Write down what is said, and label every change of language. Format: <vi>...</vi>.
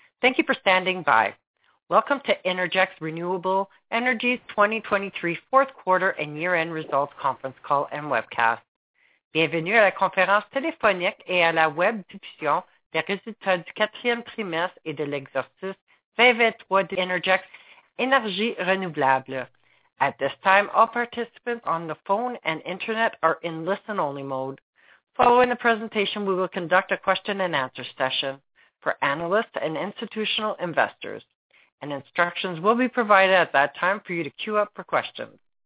<en>Thank you for standing by. Welcome to Innergex Renewable Energy's 2023 fourth quarter and year-end results conference call and webcast.</en> <fr>Bienvenue à la conférence téléphonique et à la web diffusion des résultats du quatrième trimestre et de l'exercice 2023 d'Innergex Énergie Renouvelable.</fr> <en>At this time, all participants on the phone and internet are in listen-only mode. Following the presentation, we will conduct a question-and-answer session for analysts and institutional investors, and instructions will be provided at that time for you to queue up for questions.</en>